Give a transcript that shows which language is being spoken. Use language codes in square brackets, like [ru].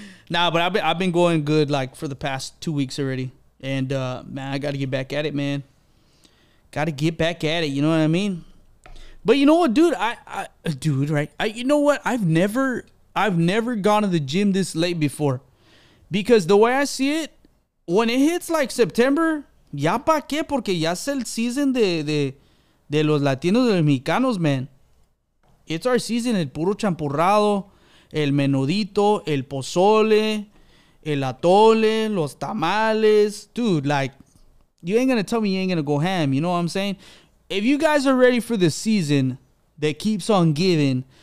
[en] Nah, but I've been going good like for the past 2 weeks already. And man, I got to get back at it, man. Got to get back at it, you know what I mean? But you know what, dude? I've never gone to the gym this late before. Because the way I see it, when it hits like September, ya pa qué? [es] Porque ya es el season de los latinos de los mexicanos, man. [en] It's our season, el puro champurrado, el menudito, el pozole, el atole, los tamales, dude, like, you ain't going to tell me you ain't going to go ham. You know what I'm saying? If you guys are ready for the season that keeps on giving,